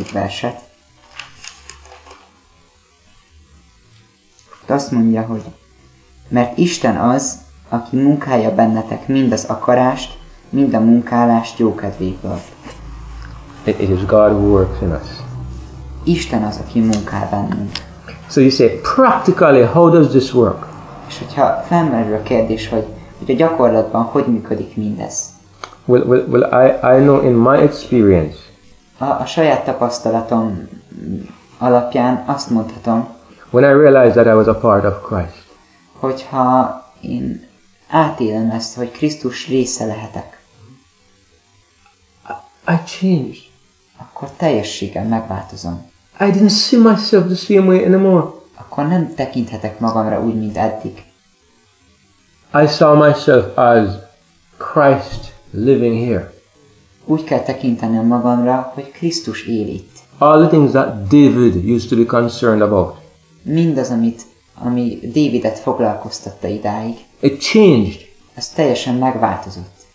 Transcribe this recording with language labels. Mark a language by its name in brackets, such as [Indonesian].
[Hungarian] verset, azt mondja, hogy mert Isten az, aki munkálja bennetek mind az akarást, mind a munkálást jókedvéből. [English] It is God who works in us. [Hungarian] Isten az, aki munkál bennünk. [English] So you say, practically, how does this work? [Hungarian] És hogyha felmerül a kérdés, hogy a gyakorlatban hogy működik mindez? [English] Well, I know in my experience. [Hungarian] A saját tapasztalatom alapján azt mondhatom. [English] When I realized that I was a part of Christ. [Hungarian] Hogyha én átélem ezt, hogy Krisztus része lehetek. [English] I changed. [Hungarian] Akkor teljességgel megváltozom. [English] I didn't see myself the same way anymore. [Hungarian] Akkor nem tekinthetek magamra úgy, mint eddig. [English] I saw myself as Christ living here. [Hungarian] Úgy kell tekintenem magamra, hogy Krisztus él itt. [English] All the things that David used to be concerned about. [Hungarian] Mindaz, ami Dávidet foglalkoztatta idáig. [English] It changed. [Hungarian] Ez teljesen megváltozott.